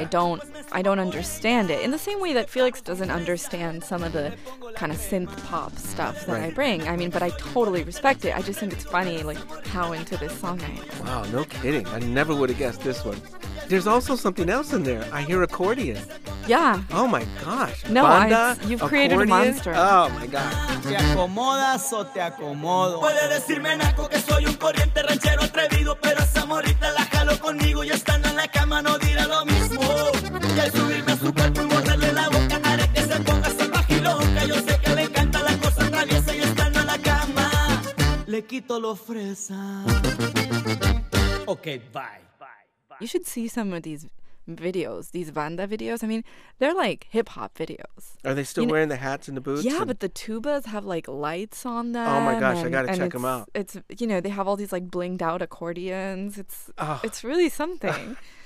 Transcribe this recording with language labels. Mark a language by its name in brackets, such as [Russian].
[English] I don't understand it. In the same way that Felix doesn't understand some of the kind of synth pop stuff that right. I bring. I mean, but I totally respect it. I just think it's funny, like, how into this song I am. Wow, no kidding. I never would have guessed this one. There's also something else in there. I hear accordion. Yeah. Oh my gosh. No, banda, you've created a monster. Oh my gosh. [Spanish] ¿Te acomodas o te acomodo? Puede decirme naco que soy un corriente ranchero atrevido, pero esa morita la jalo conmigo y estando en la cama no dirá lo mismo. Y al subirme a su cuerpo y morderle la boca haré que se ponga salvaje y loca. Yo sé que le encanta la cosa traviesa y estando en la cama le quito lo fresa. [English] Okay, bye. You should see some of these videos, these banda videos. I mean, they're like hip-hop videos. Are they still wearing the hats and the boots? Yeah, and... but the tubas have like lights on them. Oh my gosh, I gotta check them out. It's, you know, they have all these like blinged out accordions. It's really something.